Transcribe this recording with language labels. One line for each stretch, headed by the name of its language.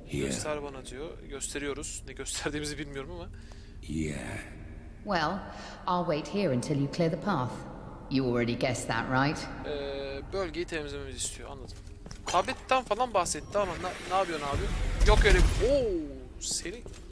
Turkish: Göster bana diyor. Gösteriyoruz. Ne gösterdiğimizi bilmiyorum ama.
English: Yeah. Well, I'll wait here until you clear the path. You already guessed that, right?
Turkish: Bölgeyi temizlememiz istiyor, anladım. Tabletten falan bahsetti ama ne yapıyorsun abi? Yok öyle bir... Oo, seni...